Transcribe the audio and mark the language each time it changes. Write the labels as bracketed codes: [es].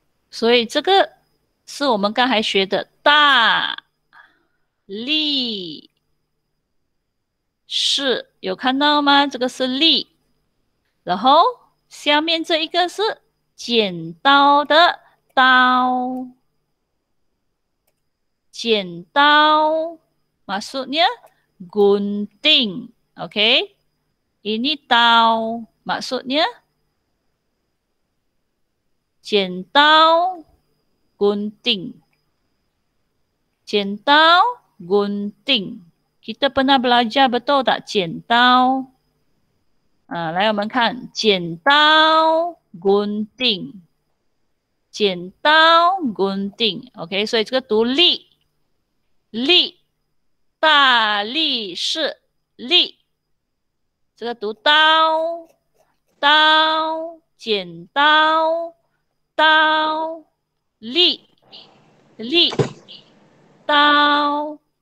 [zh] So, 这个 是我们刚才学的大力士, 有看到吗? 这个是力, 然后下面这一个是剪刀的刀, 剪刀, [ms] maksudnya gunting, [zh] okay? [ms] Ini 刀, maksudnya 剪刀, gunting, 剪刀, gunting. Kita pernah belajar betul tak? 剪刀. [zh] 来我们看, 剪刀, gunting. 剪刀 gunting， OK， 所以这个读力，力，大力士力，这个读刀，刀，剪刀，刀，力，力，刀。